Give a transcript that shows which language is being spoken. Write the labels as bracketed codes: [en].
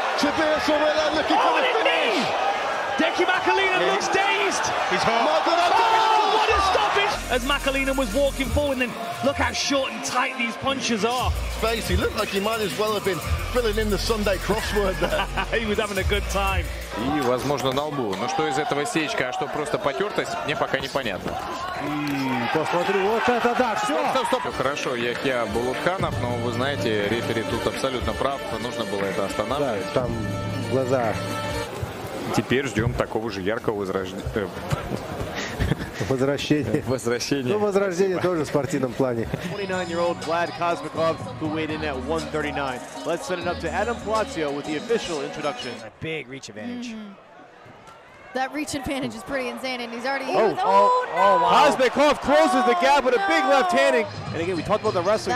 [en] Tobias Harilla looking for the finish. Deki Makalina looks dazed. He's hurt. What a stoppage! As Makalina was walking forward, then look how short and tight these punches are. His face, he looked like he might as well have been filling in the Sunday crossword there. He was having a good time. [ru] И, возможно, на лбу. Но что из этого сечка, а что просто потертость, мне пока непонятно. И посмотрю, вот это да, все! Стоп. Все хорошо, Яхья Булутханов, но вы знаете, рефери тут абсолютно прав, нужно было это останавливать. Да, там глаза. Теперь ждем такого же яркого возрождения. Возрождение тоже в спортивном плане. [en] 29-year-old Vlad Kozmikov, who weighed in at 139. Let's send it up to Adam Palacio with the official introduction. A big reach advantage. That reach advantage is pretty insane, and he's already Kozmikov closes the gap with a big left hand. And again, we talked about the wrestling.